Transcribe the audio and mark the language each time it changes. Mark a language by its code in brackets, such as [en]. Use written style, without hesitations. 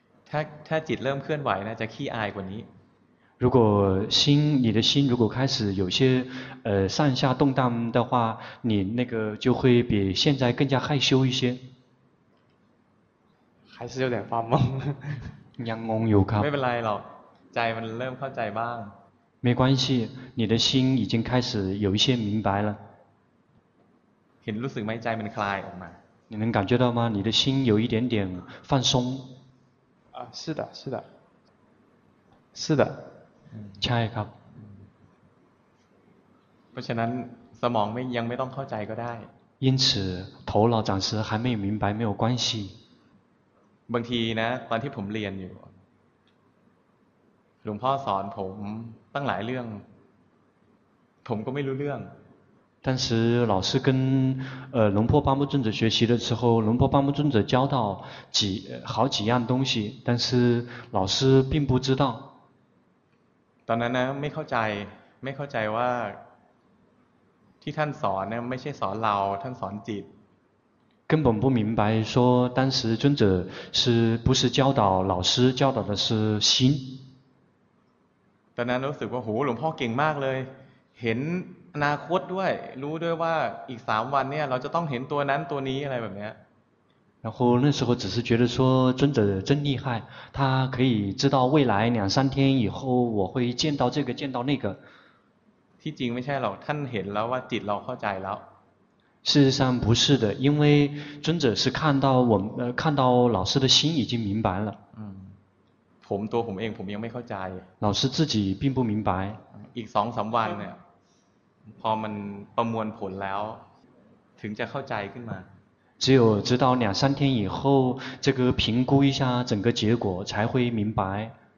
[th] ถ้าจิตเริ่มเคลื่อนไหวนะจะขี้อายกว่านี้ [zh] 如果心你的心如果开始有些上下动荡的话你那个就会比现在更加害羞一些还是有点发懵 [th] ยังงงอยู่ครับ ไม่เป็นไรหรอกใจมันเริ่มเข้าใจบ้าง [zh] 没关系你的心已经开始有一些明白了 [th] เห็นรู้สึกไหมใจมันคลายออกมา [zh] 你能感觉到吗你的心有一点点放松啊是的是的是的 [th] ใช่ครับ เพราะฉะนั้นสมองยังไม่ต้องเข้าใจก็ได้ [zh] 因此头脑暂时还没有明白没有关系 [th] บางทีนะตอนที่ผมเรียนอยู่หลวงพ่อสอนผมตั้งหลายเรื่องผมก็ไม่รู้เรื่อง [zh] 当时老师跟龙婆巴木尊者学习的时候龙婆巴木尊者教到几好几样东西但是老师并不知道 [th] ตอนนั้นนะไม่เข้าใจไม่เข้าใจว่าที่ท่านสอนเนี่ยไม่ใช่สอนเราท่านสอนจิต [zh] 根本不明白说当时尊者是不是教导老师教导的是心 [th] ตอนนั้นรู้สึกว่าโหหลวงพ่อเก่งมากเลยเห็นอนาคตด้วยรู้ด้วยว่าอีก3วันเนี่ยเราจะต้องเห็นตัวนั้นตัวนี้อะไรแบบเนี้ย [zh] 然后那时候只是觉得说尊者真厉害他可以知道未来两三天以后我会见到这个见到那个 [th] ที่จริงไม่ใช่หรอกท่านเห็นแล้วว่าจิตเราเข้าใจแล้ว [zh] 事实上不是的因为尊者是看到我们看到老师的心已经明白了 [th] ผมตัวผมเองผมยังไม่เข้าใจ [zh] 老师自己并不明白 [th] อีก 2-3 วันเนี่ยพอมันประมวลผลแล้วถึงจะเข้าใจขึ้นมา [zh] 只有知道两三天以后这个评估一下整个结果才会明白